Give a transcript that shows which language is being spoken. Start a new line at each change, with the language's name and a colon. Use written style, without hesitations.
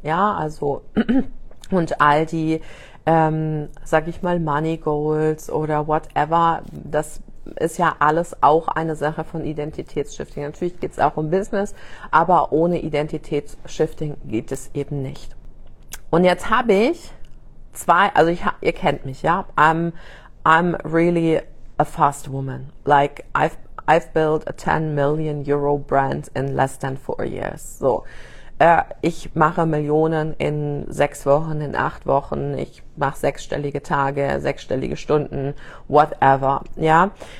German: Ja, also und all die, sag ich mal, Money Goals oder whatever, das ist ja alles auch eine Sache von Identitätsshifting. Natürlich geht es auch um Business, aber ohne Identitätsshifting geht es eben nicht. Und jetzt habe ich zwei, also ihr kennt mich, ja,
English: I'm really a fast woman. Like I've built a 10 million euro brand in less than 4 years. So.
German: Ich mache Millionen in 6 Wochen, in 8 Wochen. Ich mache sechsstellige Tage, sechsstellige Stunden, whatever. Ja.